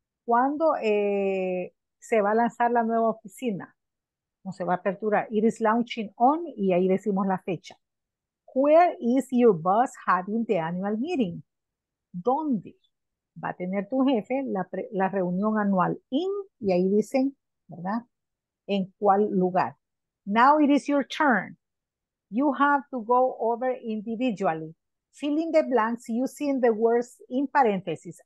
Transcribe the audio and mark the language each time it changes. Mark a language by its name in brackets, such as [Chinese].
[Spanish] ¿Cuándo se va a lanzar la nueva oficina? No se va a aperturar. [English] It is launching on. [Spanish] Y ahí decimos la fecha. [English] Where is your boss having the annual meeting? [Spanish] ¿Dónde va a tener tu jefe la reunión anual? In, y ahí dicen, ¿verdad? ¿En cuál lugar? [English] Now it is your turn. You have to go over individually. Fill in the blanks using the words in parentheses.